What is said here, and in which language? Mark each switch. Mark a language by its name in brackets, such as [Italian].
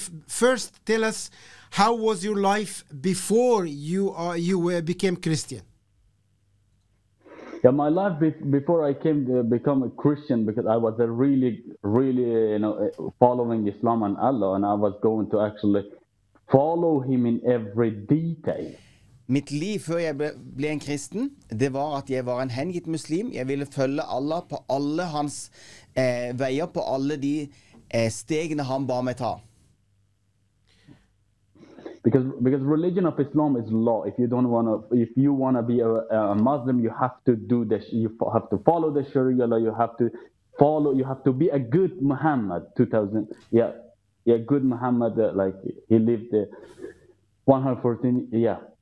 [English] First, tell us, how was your life before you became Christian? Yeah, my life before I came to become a Christian, because I was a really, really, you know, following Islam and Allah, and I was going to actually follow him in every detail. [Norwegian] Mitt liv før jeg ble en kristen, det var at jeg var en hengitt muslim. Jeg ville følge Allah på alle hans veier, på alle de stegene han ba meg ta. [English] Because religion of Islam is law. If you want to be a Muslim, you have to do this. You have to follow the Sharia law. You have to be a good Muhammad. Good Muhammad, like he lived 114. Yeah.